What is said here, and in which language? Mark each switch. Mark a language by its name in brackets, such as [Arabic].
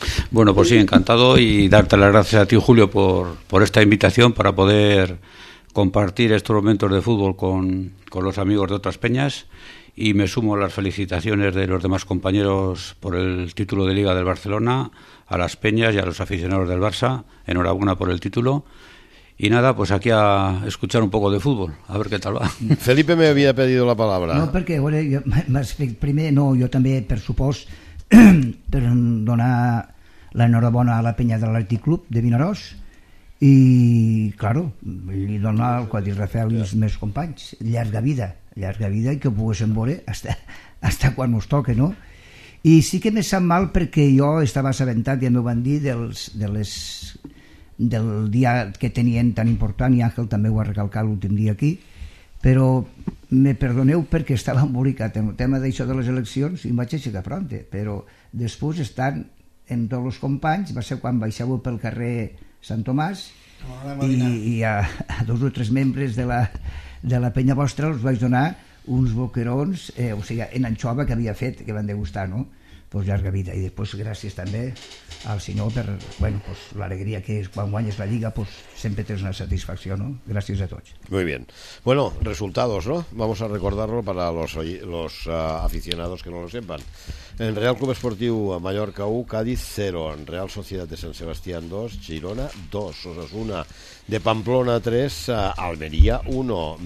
[Spanish] Bueno, pues sí, encantado, y darte las gracias a ti, Julio, por esta invitación para poder compartir estos momentos de fútbol con los amigos de otras peñas. y me sumo a las felicitaciones de los demás compañeros por el título de Liga del Barcelona, a las peñas y a los aficionados del Barça. Enhorabuena por el título. Y nada, pues aquí a escuchar un poco de fútbol, a ver qué tal va. Felipe me había pedido la palabra. [Catalan] No, perquè, bueno, jo, primer, no, jo també, per supost, per donar l'enhorabona a la penya de l'Atlètic Club de Vinaròs i, claro, li donar el que ha dit Rafael i els meus companys, llarga vida i que ho poguéssim veure hasta quan ens toque, no? I sí que m'he sap mal perquè jo estava assabentat, ja m'ho van dir, del dia que tenien tan important, i Àngel també ho ha recalcat l'últim dia aquí, però me perdoneu perquè estava embolicat en el tema d'això de les eleccions i em vaig aixecar front, però després, estant amb tots els companys, va ser quan baixàveu pel carrer Sant Tomàs i a dos o tres membres de la penya vostra els vaig donar uns boquerons, o sigui, en anxova que havia fet, que van degustar, no? Pues llarga vida. I després gràcies també al senyor per, bueno, pues l'alegria que és quan guanyes la Lliga, pues sempre tens una satisfacció, no? Gràcies a tots. [Spanish] Muy bien. Bueno, resultados, ¿no? Vamos a recordarlo para los aficionados que no lo sepan. En Real Club Esportiu Mallorca 1, Cádiz 0. En Real Sociedad de San Sebastián 2, Girona 2. Osasuna de Pamplona 3, Almería 1.